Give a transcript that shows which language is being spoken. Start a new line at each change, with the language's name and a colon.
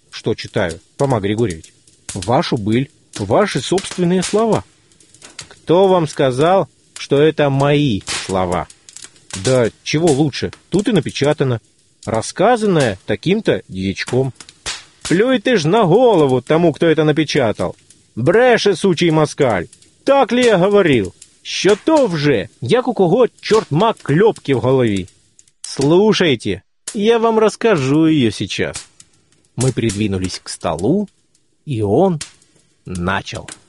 Russian: Что читаю, Фома Григорьевич?» «Вашу быль, ваши собственные слова». «Кто вам сказал, что это мои слова?» «Да чего лучше, тут и напечатано, рассказанное таким-то дьячком». «Плюй ты ж на голову тому, кто это напечатал!
Ukrainian: Бреше, сучий москаль!
Russian: Так ли я говорил?
Ukrainian: Що то вже, як у кого чортма кльопки в голові?
Russian: Слушайте, я вам расскажу ее сейчас». Мы придвинулись к столу, и он начал.